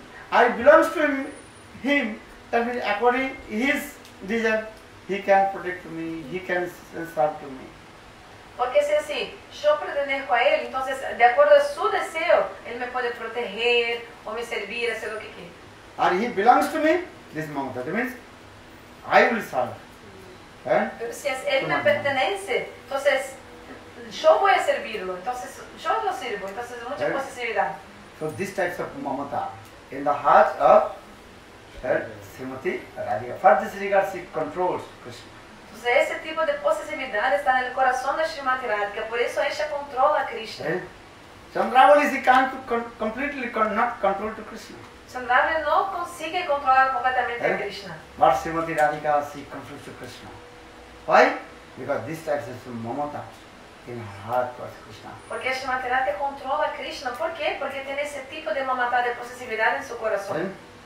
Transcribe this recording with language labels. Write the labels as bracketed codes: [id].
[en] I belong to him, that means according to his desire, he can protect me, he can serve to me. [es] Porque si así, yo pertenezco a él, entonces de acuerdo a su deseo, él me puede proteger o me servir, hacer lo que quiera. [en] And he belongs to me, this moment, that means I will serve. [es] Pero si es él me pertenece, entonces yo voy a servirlo, entonces yo lo sirvo, entonces mucha posesividad. [en] So these types of mamata. In the heart of Srimati Radhika. For this regard, she controls Krishna. [es] Entonces, ese tipo de posesividad está en el corazón de Srimati Radhika, por eso ella controla Krishna. Chandravali, she can't completely not control to Krishna. Chandravali no consigue controlar completamente a Krishna. [en] But Srimati Radhika, she controls to Krishna. Why? Because this type is mamata in her heart towards Krishna. [es] Porque Srimati Radhika controla a Krishna. ¿Por qué? Porque tiene ese tipo de mamata de posesividad en su corazón.